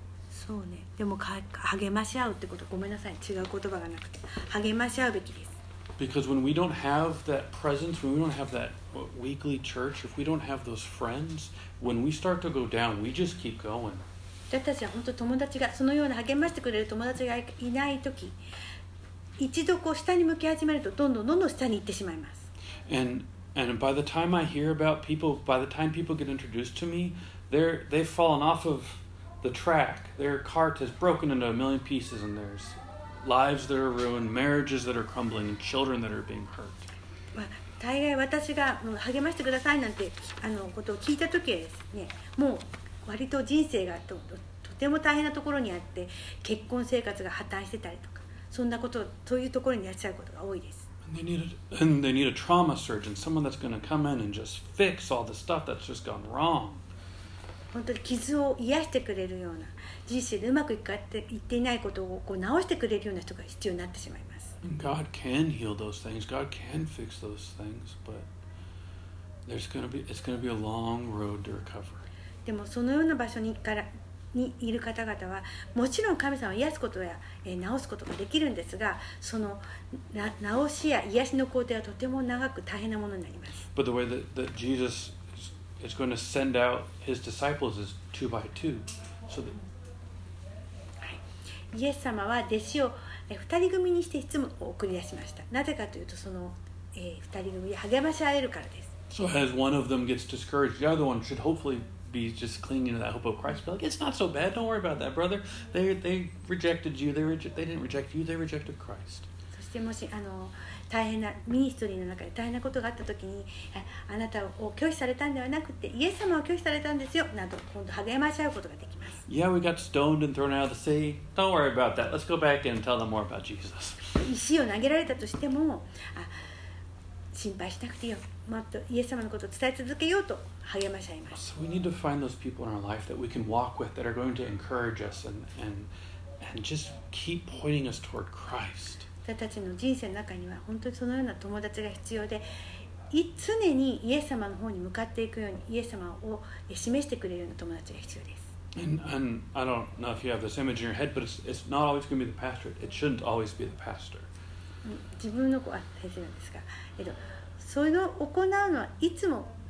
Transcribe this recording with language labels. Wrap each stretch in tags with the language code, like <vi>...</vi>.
<ja>そうね、でも励まし合うってこと、ごめんなさい、違う言葉がなくて、励まし合うべきです。</ja> <en>Because when we don't have that presence, when we don't have that weekly church, if we don't have those friends, when we start to go down, we just keep going.</en> <ja>私たちは本当友達がそのような励ましてくれる友達がいないとき、一度こう下に向き始めるとどんどんどんどん下に行ってしまいます。</ja> <en>And by the time I hear about people, by the time people get introduced to me, they've fallen off of the track. Their cart has broken into a million pieces, and there's lives that are ruined, marriages that are crumbling, and children that are being hurt.</en> <ja>大概私が励ましてくださいなんてあのことを聞いたときはですね、もう割と人生が とても大変なところにあって、結婚生活が破綻してたりとか、そんなこと、そういうところにいらっしゃることが多いです。</ja> <en>And they need a trauma surgeon, someone that's going to come in and just fix all the stuff that's just gone wrong.</en> <ja>本当に傷を癒してくれるような、人生でうまくいっていないことをこう直してくれるような人が必要になってしまいます。</ja> <en>And God can heal those things, God can fix those things, but it's going to be a long road to recovery.</en> <ja>でもそのような場所 にいる方々はもちろん神様を癒すことや治すことができるんですが、その治しや癒しの工程はとても長く大変なものになります。</ja> <en>But the way that Jesus is going to send out his disciples is two by two. So that...</en> <ja>イエス様は弟子を二人組にしていつも送り出しました。なぜかというとその二人組で励まし合えるからです。</ja> <en>So as one of them gets discouraged, the other one should hopefully... be just clinging to that hope of Christ. Be like, it's not so bad. Don't worry about that, brother. They rejected you. They didn't reject you. They rejected Christ.</en> <ja>そしてもしあの大変なミニストリーの中で大変なことがあったときに、あなたを拒否されたんではなくて、イエス様を拒否されたんですよ。など今度励まし合うことができます。</ja> <en>Yeah, we got stoned and thrown out of the sea. Don't worry about that. Let's go back and tell them more about Jesus.</en> <ja>石を投げられたとしても、あ、心配しなくていいよ。もっとイエス様のことを伝え続けようと。</ja> <en>So we need to find those people in our life that we can walk with that are going to encourage us and just keep pointing us toward Christ.</en> <ja>私たちの人生の中には本当にそのような友達が必要で、常にイエス様の方に向かっていくようにイエス様を示してくれるような友達が必要です。</ja> <en>And I don't know if you have this image in your head, but it's not always going to be the pastor. It shouldn't always be the pastor.</en> <ja>自分の子は先生なんですが、それを行うのはいつも。</ja>